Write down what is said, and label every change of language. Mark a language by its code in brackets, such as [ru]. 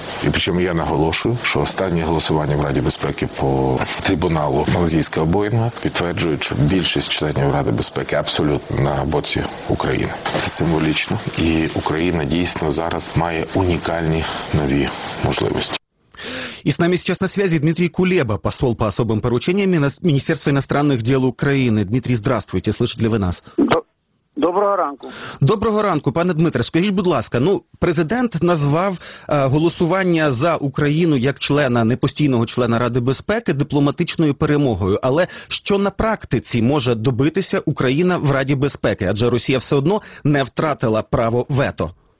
[uk] І причому я наголошую, що останнє голосування в Раді Безпеки по трибуналу Малайзійського Боїнга підтверджує, що більшість членів Ради Безпеки абсолютно на боці України. Це символічно, і Україна дійсно зараз має унікальні нові можливості. [ru] И с нами сейчас на связи Дмитрий Кулеба, посол по особым поручениям Министерства иностранных дел Украины. Дмитрий, здравствуйте, слышите ли вы нас? [uk] Доброго ранку. Доброго ранку, пане Дмитре. Скажіть, будь ласка, ну, президент назвав голосування за Україну як члена, непостійного члена Ради безпеки, дипломатичною перемогою. Але що на практиці може добитися Україна в Раді безпеки? Адже Росія все одно не втратила право вето.